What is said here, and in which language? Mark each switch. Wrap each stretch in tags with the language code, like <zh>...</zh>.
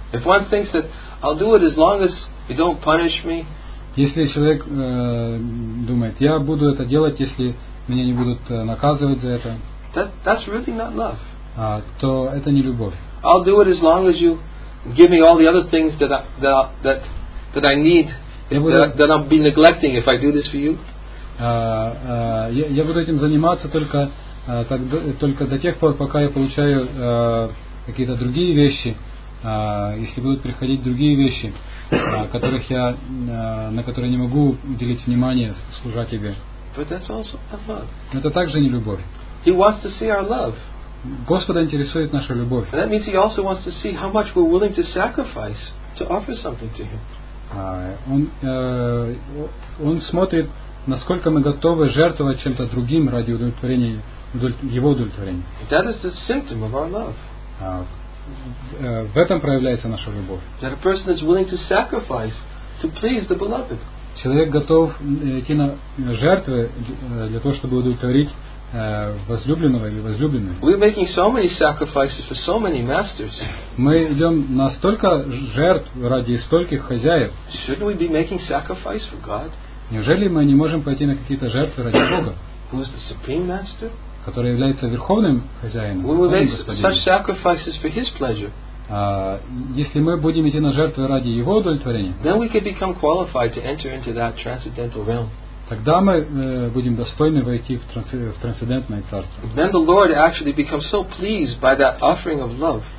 <en>If one thinks that I'll do it as long as you don't punish me.</en> <ru>Если человек думает, я буду это делать, если меня не будут наказывать за это.</ru> <en>That's really not love.</en> <ru>То это не любовь.</ru> <en>I'll do it as long as you give me all the other things that I need, that I'll be neglecting if I do this for you.</en> <ru>Я буду этим заниматься только до тех пор, пока я получаю какие-то другие вещи, если будут приходить другие вещи, которых я на которые не могу уделить внимание, служа тебе.</ru> <en>But that's also not love.</en> <ru>Это также не любовь.</ru> <en>He wants to see our love.</en> <ru>Господа интересует наша любовь.</ru> <en>And that means he also wants to see how much we're willing to sacrifice to offer something to him.</en> <ru>Он смотрит, насколько мы готовы жертвовать чем-то другим ради удовлетворения его удовлетворения.</ru> <en>That is the symptom of our love.</en> <ru>В этом проявляется наша любовь.</ru> <en>That a person is willing to sacrifice to please the beloved.</en> <ru>Человек готов идти на жертвы для того, чтобы удовлетворить возлюбленного или возлюбленную.</ru> <en>We're making so many sacrifices for so many masters.</en> <ru>Мы идем на столько жертв ради стольких хозяев.</ru> <en>Shouldn't we be making sacrifice for God?</en> <ru>Неужели мы не можем пойти на какие-то жертвы ради Бога?</ru> <en>Who is the supreme master?</en> <ru>Который является верховным хозяином.</ru> <en>We will make such sacrifices for his pleasure.</en> <ru>Если мы будем идти на жертвы ради Его удовлетворения,</ru> <en>then we can become qualified to enter into that transcendental realm.</en> <ru>Тогда мы будем достойны войти в трансцендентное царство.</ru> <en>Then the Lord actually becomes so pleased by that offering of love.</en>